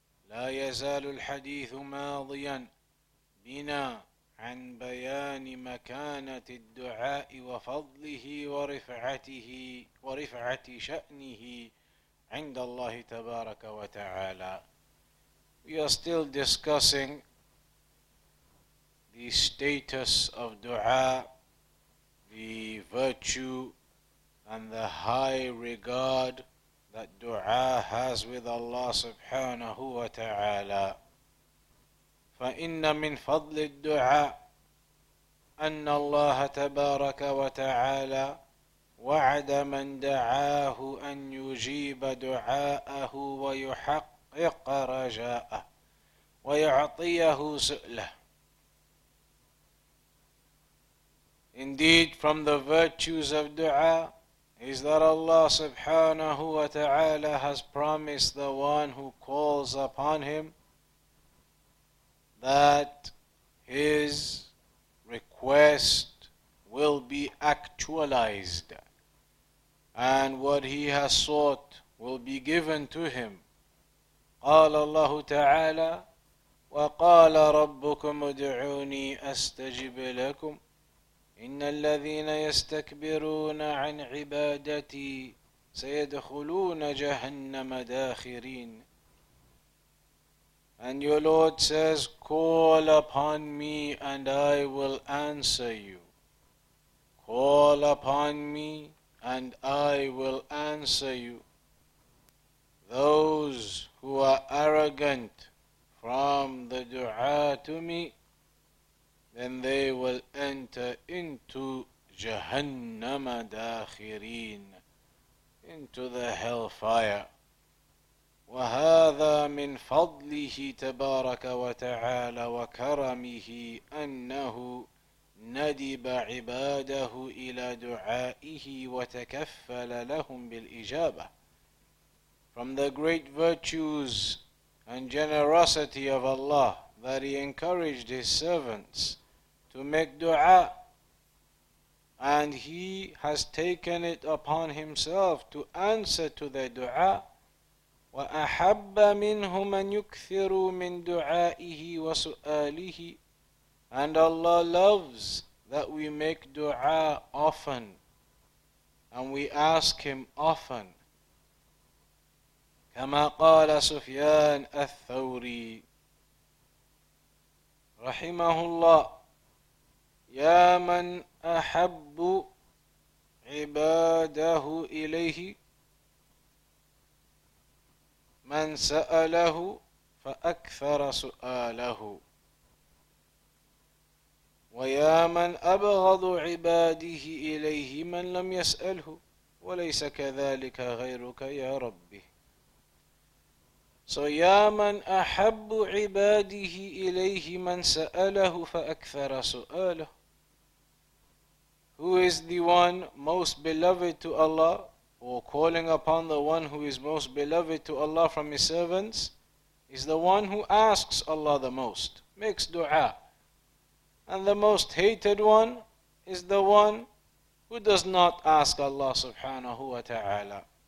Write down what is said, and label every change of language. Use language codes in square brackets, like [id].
[ar] لا يزال الحديث ماضيا بنا عن بيان مكانة الدعاء وفضله ورفعة شأنه عند الله تبارك وتعالى. [en] We are still discussing the status of dua, the virtue and the high regard that dua has with Allah subhanahu wa ta'ala. [ar] فإن من فضل الدعاء أن الله تبارك وتعالى وعد من دعاه أن يجيب دعاءه ويحقق رجاءه ويعطيه سؤله. [en] Indeed, from the virtues of dua is that Allah subhanahu wa ta'ala has promised the one who calls upon Him that his request will be actualized, and what he has sought will be given to him. [ar] قال الله تعالى وقال ربكم ادعوني استجب لكم ان الذين يستكبرون عن عبادتي سيدخلون جهنم داخرين. [en] And your Lord says, call upon me and I will answer you. Call upon me and I will answer you. Those who are arrogant from the dua to me, then they will enter into Jahannam Dakhirin, into the hellfire. [ar] وهذا من فضله تبارك وتعالى وكرمه أنه ندب عباده إلى دعائه وتكفل لهم بالإجابة. [en] From the great virtues and generosity of Allah that He encouraged His servants to make dua, and He has taken it upon Himself to answer to their dua. [ar] وَأَحَبَّ مِنْهُمْ أَنْ يُكْثِرُوا مِنْ دُعَائِهِ وَسُؤَالِهِ. [en] And Allah loves that we make dua often and we ask Him often. [ar] كَمَا قَالَ سُفْيَانَ الثَّوْرِي رَحِمَهُ اللَّهِ يَا مَنْ أَحَبُّ عِبَادَهُ إِلَيْهِ من سأله فأكثر سؤاله ويا من أبغض عباده إليه من لم يسأله وليس كذلك غيرك يا ربي. So يا من أحب عباده إليه من سأله فأكثر سؤاله. [en] Who is the one most beloved to Allah, or calling upon the one who is most beloved to Allah from His servants, is the one who asks Allah the most, makes dua. And the most hated one is the one who does not ask Allah subhanahu wa ta'ala.